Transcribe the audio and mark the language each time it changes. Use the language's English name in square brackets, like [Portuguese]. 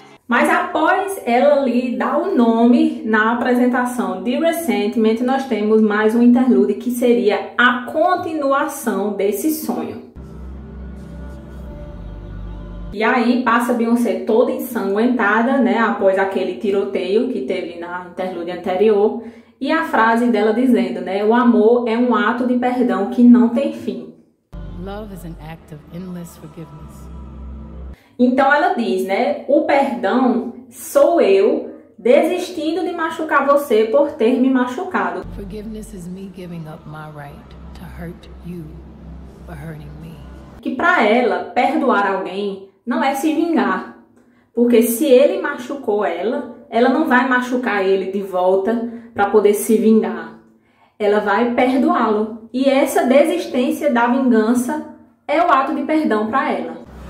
[Portuguese] Mas após ela ali dar o nome na apresentação de Resentment, nós temos mais um interlude que seria a continuação desse sonho. E aí passa Beyoncé toda ensanguentada, né, após aquele tiroteio que teve na interlude anterior, e a frase dela dizendo, né, o amor é um ato de perdão que não tem fim. [English] Love is an act of endless forgiveness. [Portuguese] Então ela diz, né, o perdão sou eu desistindo de machucar você por ter me machucado. [English] Forgiveness is me giving up my right to hurt you for hurting me. [Portuguese] Que pra ela, perdoar alguém não é se vingar. Porque se ele machucou ela, ela não vai machucar ele de volta pra poder se vingar. Ela vai perdoá-lo. E essa desistência da vingança é o ato de perdão pra ela.